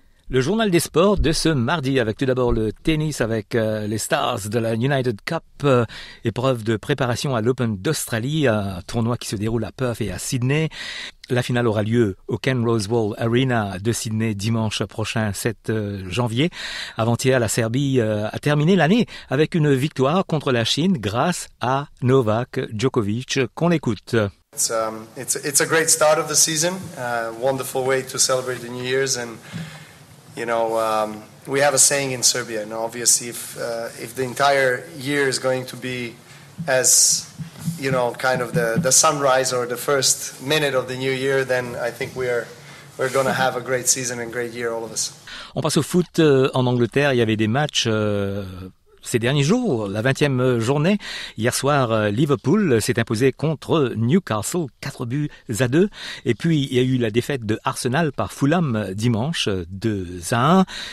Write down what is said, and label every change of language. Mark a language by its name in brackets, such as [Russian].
[French] Le journal des sports de ce mardi avec tout d'abord le tennis avec les stars de la United Cup, épreuve de préparation à l'Open d'Australie, un tournoi qui se déroule à Perth et à Sydney. La finale aura lieu au Kenrose Wall Arena de Sydney dimanche prochain 7 janvier. Avant-hier, la Serbie a terminé l'année avec une victoire contre la Chine grâce à Novak Djokovic, qu'on écoute. [English] It's a great start of the season, wonderful way to celebrate the New Year's and... You know, we have a saying in Serbia, and obviously if the entire year is going to be as, you know, kind of the sunrise or the first minute of the new year, then I think we're going to have a great season and great year, all of us. [French] On passe au foot en Angleterre, il y avait des matchs ces derniers jours, la 20e journée. Hier soir, Liverpool s'est imposé contre Newcastle, 4-2. Et puis, il y a eu la défaite de Arsenal par Fulham dimanche, 2-1.